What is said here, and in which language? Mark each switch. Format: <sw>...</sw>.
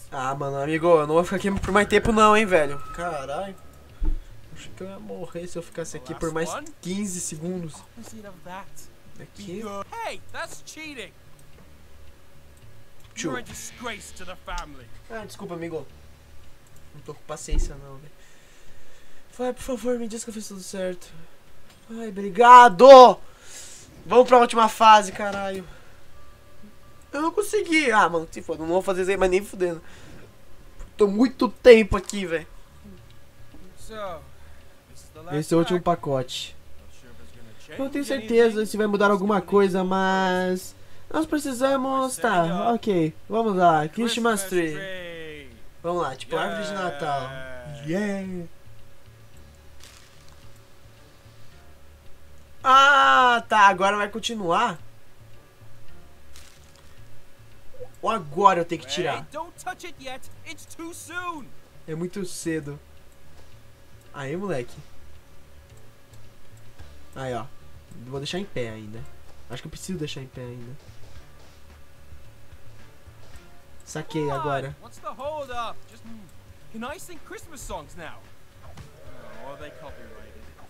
<pt>Ah, mano, amigo, eu não vou ficar aqui por mais tempo não, hein, velho. Caralho. Acho que eu ia morrer se eu ficasse aqui por mais 15 segundos. Aqui.</pt> <en>Hey, that's cheating. You're a disgrace to the family.</en> <pt>Ah, desculpa, amigo. Não tô com paciência não, velho. Vai, por favor, me diz que eu fiz tudo certo. Ai, obrigado! Vamos pra última fase, caralho. Eu não consegui. Ah, mano, se foda, não vou fazer isso aí, mas nem fudendo. Tô muito tempo aqui, velho. Esse é o último pacote. Não tenho certeza se vai mudar alguma coisa, mas... nós precisamos... tá, ok. Vamos lá, Christmas Tree. Vamos lá, tipo, árvore de Natal. Yeah! Ah, tá, agora vai continuar. Ou agora eu tenho que tirar?</pt> <en>Hey, don't touch it yet. It's too soon.</en> <pt>É muito cedo. Aí, moleque. Aí, ó. Vou deixar em pé ainda. Acho que eu preciso deixar em pé ainda. Saquei agora.</pt> <en>What's the hold up? Just, can I sing Christmas songs now? Oh, are they copyrighted?</en>